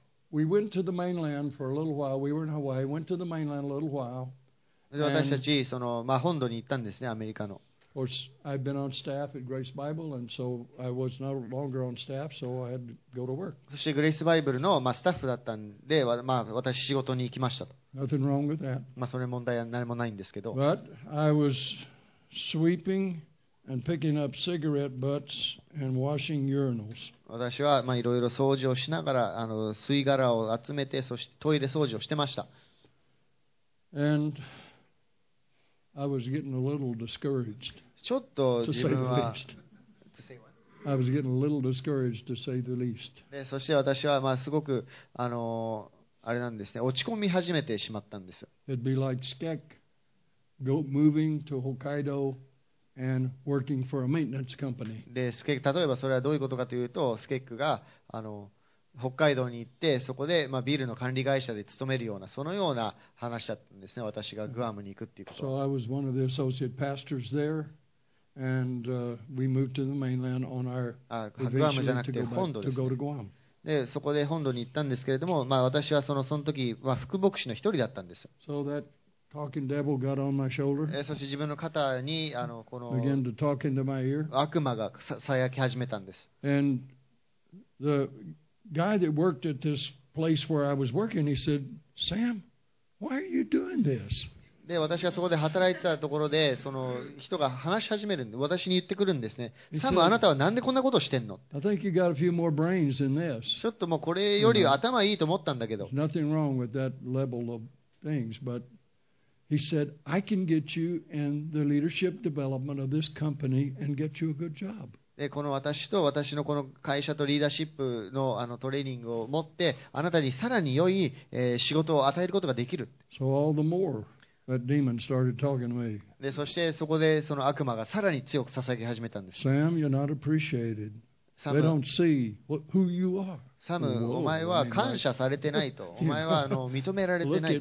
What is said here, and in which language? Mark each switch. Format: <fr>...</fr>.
<en>We went to the mainland for a little while. We were in Hawaii. Went to the mainland a little while.</en> <ja>で私たちその、まあ、本土に行ったんですね、アメリカの。</ja> <en>Of course, I've been on staff at Grace Bible, and so I was no longer on staff, so I had to go to work.</en> <ja>そしてグレイスバイブルの、まあ、スタッフだったんで、まあ、私仕事に行きました。</ja> <en>Nothing wrong with that.</en> <ja>まあそれ問題は何もないんですけど。</ja> <en>But I was sweeping. And picking up cigarette butts and washing urinals.</en> <ja>私はまあいろいろ掃除をしながら吸い殻を集めて、そしてトイレ掃除をしてました。</ja> <en>And I was getting a little discouraged.</en> <ja>ちょっと自分は、</ja> <en>I was getting a little discouraged to say the least.</en> <ja>で、そして私はまあすごくあれなんですね、落ち込み始めてしまったんです。</ja> <en>It'd be like Skek go moving to Hokkaido. And working for a maintenance company.</en> <ja>で、スケック、例えばそれはどういうことかというと、スケックが北海道に行って、そこで、まあ、ビールの管理会社で勤めるような、そのような話だったんですね、私がグアムに行くっていうこと。</ja> <en>So I was one of the associate pastors there, and we moved to the mainland on our vacation to go to Guam.</en> <ja>で、そこで本土に行ったんですけれども、まあ、私はその時、まあ、副牧師の一人だったんです。</ja> <en>So thatTalking devil got on my shoulder.</en> <ja>そして自分の肩にこの</ja> <en>Began to talk into my ear.</en> <ja>悪魔が囁き始めたんです。</ja> <en>And the guy that worked at this place where I was working, he said, Sam, why are you doing this?</en> <ja>で、私がそこで働いてたところで、その人が話し始めるんで、私に言ってくるんですね。サム、あなたはなんでこんなことをしてんの？</ja> <en>I think you got a few more brains than this.</en> <ja>ちょっともうこれより頭いいと思ったんだけど。</ja> <en>There's nothing wrong with that level of things, but. He said, "I can get you in the leadership development of this company and get you a good job."</en> <ja>で、この私と私のこの会社とリーダーシップのトレーニングを持って、あなたにさらに良い、仕事を与えることができる。</ja> <en>So all the more that demon started talking to me.</en> <ja>で、そしてそこでその悪魔がさらに強く囁き始めたんです。</ja> <en>Sam, you're not appreciated. They don't see who you are.</en> <ja>サム、お前は感謝されてないと。お前は認められてない。</ja>